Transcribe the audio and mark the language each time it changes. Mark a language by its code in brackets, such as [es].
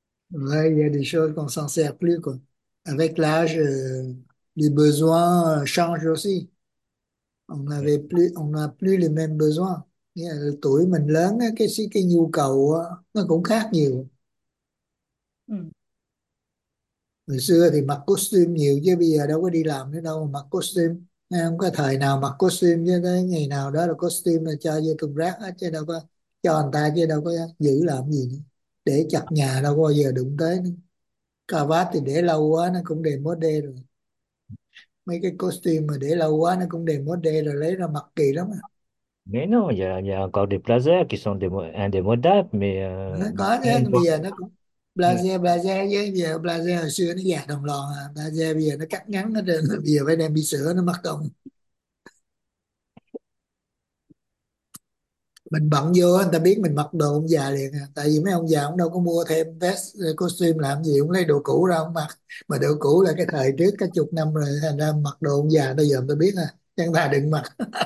[fr] Y a des choses qu'on s'en sert plus, quoi. Avec l'âge. Les besoins changent aussi. On n'a plus les mêmes besoins. [vi] Le tuổi mình lớn, cái nhu cầu nó cũng khác nhiều. Hồi xưa thì mặc costume nhiều chứ bây giờ đâu có đi làm nữa đâu mà mặc costume. Không có thời nào mặc costume chứ tới ngày nào đó là costume là cho vô thùng rác hết chứ đâu có cho người ta chứ đâu có giữ làm gì nữa. Để chặt nhà đâu bao giờ đụng tới nữa. Cà vạt thì để lâu quá nó cũng đề mốt đê rồi. Mấy cái costume mà để lâu quá nó cũng đề mốt đê rồi lấy ra mặc kỳ lắm [fr] Mais non, il y a encore des blazers qui sont indémodables, mais [vi] à. Có chứ, bây giờ nó cũng [fr] mais... [vi] blazer hồi xưa nó dài đồng lòng à. Blazer bây giờ nó cắt ngắn hết rồi, bây giờ phải đem đi sửa nó mất công. Mình bận vô người ta biết mình mặc đồ ông già liền à. Tại vì mấy ông già ông đâu có mua thêm vest costume làm gì, cũng lấy đồ cũ ra ông mặc, mà đồ cũ là cái thời trước cả chục năm rồi, thành ra mặc đồ ông già tới giờ người ta biết à, chẳng thà đừng mặc.